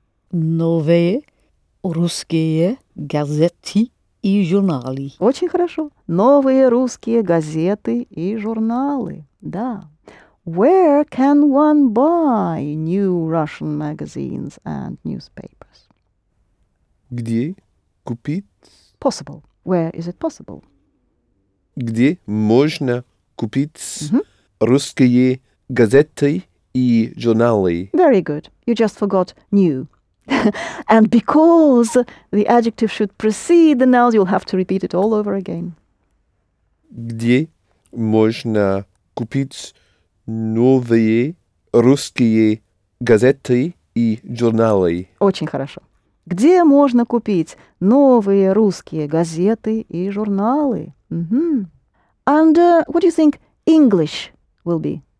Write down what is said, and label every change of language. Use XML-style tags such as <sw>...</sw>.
<ru>Новые русские газеты и журналы. Очень хорошо. Новые русские газеты и журналы. Да.</ru> <en>Where can one buy new Russian magazines and newspapers?</en> <ru>Где купить?</ru> <en>Possible. Where is it possible?</en> <ru>Где можно купить русские газеты и журналы?</ru> <en>Very good. You just forgot new. And because the adjective should precede the noun, you'll have to repeat it all over again.</en> <ru>Где можно купить новые русские газеты и журналы? Очень хорошо. Где можно купить новые русские газеты и журналы?</ru> <en>And what do you think English will be?</en>